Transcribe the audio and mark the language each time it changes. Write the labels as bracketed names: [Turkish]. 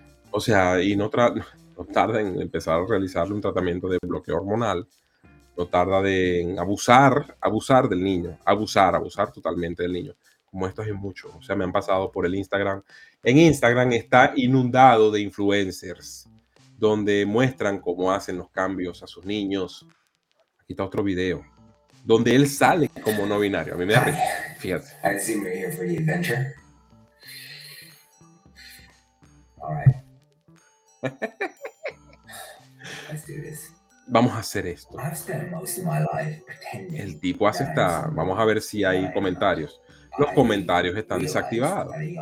[Spanish] O sea, y no tarda en empezar a realizarle un tratamiento de bloqueo hormonal, no tarda en abusar del niño, abusar totalmente del niño. Como estos hay muchos, o sea, me han pasado por el Instagram. En Instagram está inundado de influencers, donde muestran cómo hacen los cambios a sus niños. Aquí está otro video, donde él sale como no binario. A mí me da risa, fíjate. [English] I assume you're here for the adventure. All right. Let's do this. [Spanish] Vamos a hacer esto. [English] I've spent most of my life pretending. [Spanish] El tipo hace esta... Vamos a ver si hay comentarios. Los comentarios están desactivados.